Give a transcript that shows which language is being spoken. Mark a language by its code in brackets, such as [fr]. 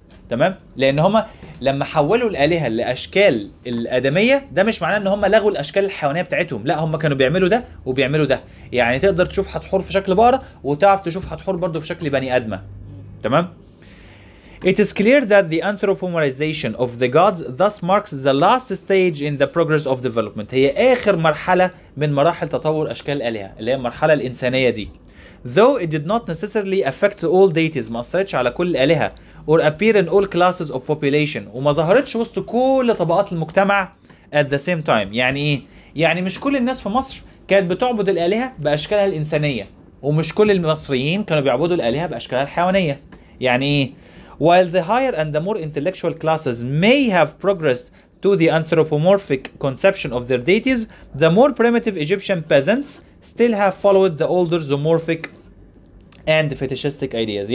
[ar] تمام؟ لان هم لما حولوا الالهه لاشكال الادميه، ده مش معناه ان هم لغوا الاشكال الحيوانيه بتاعتهم، لا، هم كانوا بيعملوا ده وبيعملوا ده. يعني تقدر تشوف حتحور في شكل بقره وتعرف تشوف حتحور برضو في شكل بني ادمه. [en] تمام؟ It is clear that the anthropomorphization of the gods thus marks the last stage in the progress of development. [ar] هي آخر مرحلة من مراحل تطور أشكال الآلهة، اللي هي المرحلة الإنسانية دي. [en] Though it did not necessarily affect all deities، [ar] ما أثرتش على كل الآلهة، [en] or appear in all classes of population، [ar] وما ظهرتش وسط كل طبقات المجتمع [en] at the same time. [ar] يعني إيه؟ يعني مش كل الناس في مصر كانت بتعبد الآلهة بأشكالها الإنسانية، ومش كل المصريين كانوا بيعبدوا الآلهة بأشكالها الحيوانية. يعني إيه؟ [en] While the higher and the more intellectual classes may have progressed to the anthropomorphic conception of their deities, the more primitive Egyptian peasants still have followed the older zoomorphic and fetishistic ideas.